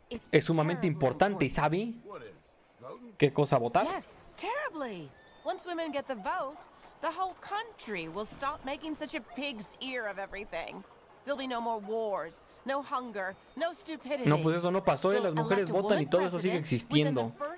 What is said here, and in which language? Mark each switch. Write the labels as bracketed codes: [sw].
[es] Es sumamente importante, ¿sabe? ¿Qué cosa votar? [en] Yes, terribly. Once women get the vote, the whole country will stop making such a pig's ear of everything. There'll be no more wars, no hunger, no stupidity. [es] No, pues eso no pasó, ¿eh? Las mujeres votan y todo eso sigue existiendo.